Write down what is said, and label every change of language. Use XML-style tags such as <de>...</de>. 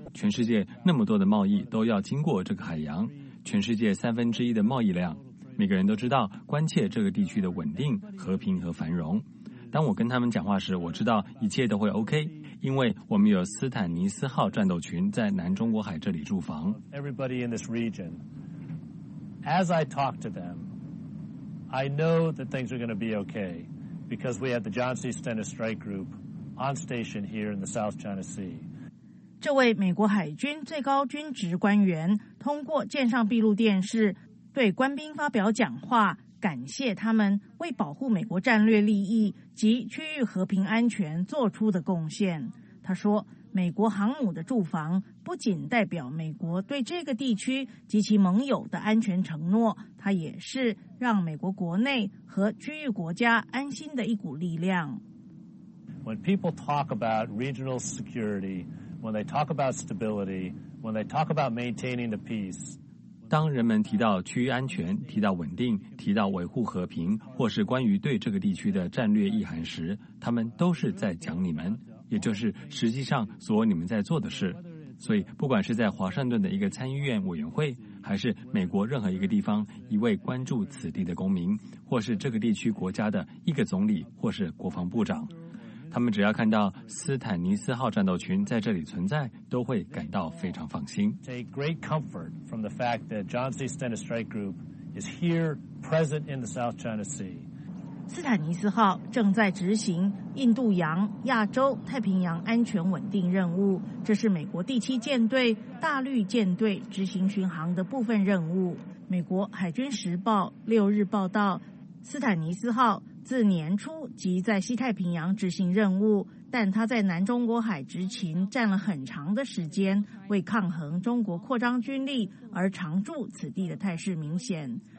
<zh>全世界那么多的贸易都要经过这个海洋，全世界三分之一的贸易量，每个人都知道关切这个地区的稳定、和平和繁荣。当我跟他们讲话时，我知道一切都会 OK， 因为我们有斯坦尼斯号战斗群在南中国海这里驻防。</zh> <en>Everybody in this region, as I talk to them,I know that things are going to be okay because we have the John C. Stennis Strike Group on station here in the South China Sea.</en> <zh>这位美国海军最高军职官员通过舰上闭路电视对官兵发表讲话，感谢他们为保护美国战略利益及区域和平安全做出的贡献。他说，美国航母的驻防不仅代表美国对这个地区及其盟友的安全承诺，它也是让美国国内和区域国家安心的一股力量。</zh> <en>When people talk about regional security, when they talk about stability, when they talk about maintaining the peace,</en> <zh>当人们提到区域安全、提到稳定、提到维护和平，或是关于对这个地区的战略意涵时，他们都是在讲你们。也就是实际上所你们在做的事，所以不管是在华盛顿的一个参议院委员会，还是美国任何一个地方一位关注此地的公民，或是这个地区国家的一个总理或是国防部长，他们只要看到斯坦尼斯号战斗群在这里存在，都会感到非常放心。</zh> <en>Take great comfort from the fact that John C. Stennis Strike Group is here present in the South China Sea.</en> <zh>斯坦尼斯号正在执行印度洋、亚洲、太平洋安全稳定任务，这是美国第七舰队大绿舰队执行巡航的部分任务。美国海军时报六日报道，斯坦尼斯号自年初即在西太平洋执行任务，但他在南中国海执勤占了很长的时间，为抗衡中国扩张军力而常驻此地的态势明显。</zh>